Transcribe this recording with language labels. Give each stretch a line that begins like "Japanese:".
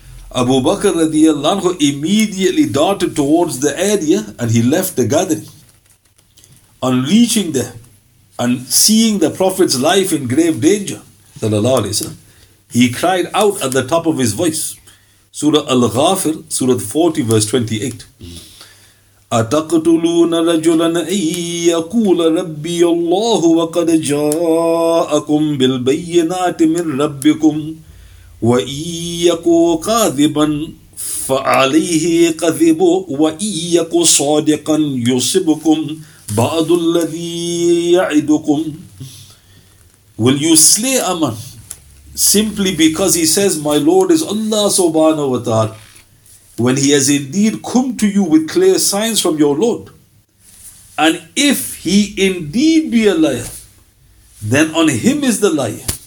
English: Abu Bakr radiallahu anhu immediately darted towards the area and he left the gathering. On reaching there and seeing the Prophet's life in grave danger, sallallahu alayhi wa sallam, he cried out at the top of his voice. Surah Al-Ghafir, Surah 40, verse 28.
Arabic: أتقتلون رجلا أن يقول ربي الله وقد جاءكم بالبينات من ربكم وإن يك كاذبا فعليه كذب وإن يك صادقا يصبكم بعض الذي يعدكم.
English: Will you slay a man simply because he says my Lord is Allah subhanahu wa ta'ala, when he has indeed come to you with clear signs from your Lord? And if he indeed be a liar, then on him is the liar.